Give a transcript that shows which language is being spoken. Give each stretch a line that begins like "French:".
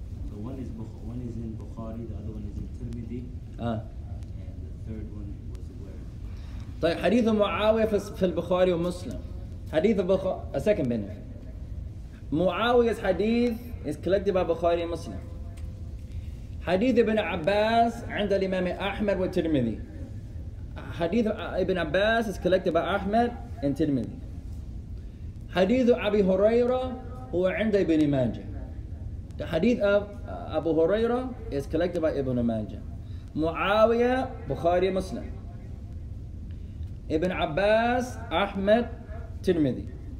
English: The one is in Bukhari, the other one is in Tirmidhi. Ah. And the third one was where?
Arabic: طيب حديث معاويه في البخاري ومسلم. حديث البخاري.
English: A second minute. Muawiyah's hadith is collected by Bukhari and Muslim.
Arabic: Hadith ibn Abbas عند الإمام أحمد والترمذي.
English: Hadith ibn Abbas is collected by Ahmed and Tirmidhi.
Arabic: Hadith Abi Huraira. هو عند ابن ماجه.
English: The hadith of Abu Huraira is collected by Ibn Majah. Muawiyah, Bukhari, Muslim. Ibn Abbas, Ahmed, Tirmidhi.